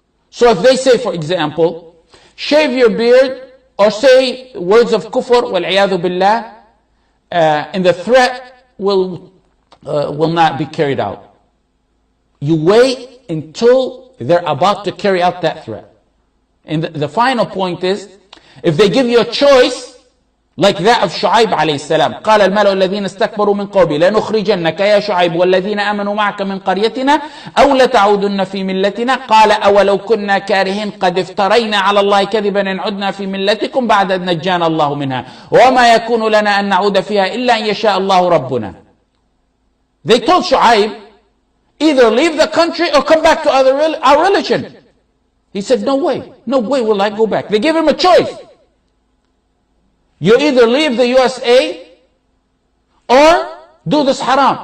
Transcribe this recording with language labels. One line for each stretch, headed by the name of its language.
English: So if they say, for example, shave your beard, or say words of kufr, wal'iyadhu billah, and the threat will not be carried out. You wait until they're about to carry out that threat. And the final point is, if they give you a choice, like that of Shu'aib alayhi salam.
Arabic: قال الملأ الذين استكبروا من قومي لنخرجنك يا شعيب والذين آمنوا معك من قريتنا أو لتعودن في ملتنا قال أولو كنا كارهين قد افترينا على الله كذبا إن عدنا في ملتكم بعد أن نجانا الله منها وما يكون لنا أن نعود فيها إلا أن يشاء الله ربنا.
English: They told Shu'aib, either leave the country or come back to our religion. He said, no way. No way will I go back. They gave him a choice. You either leave the USA or do this haram.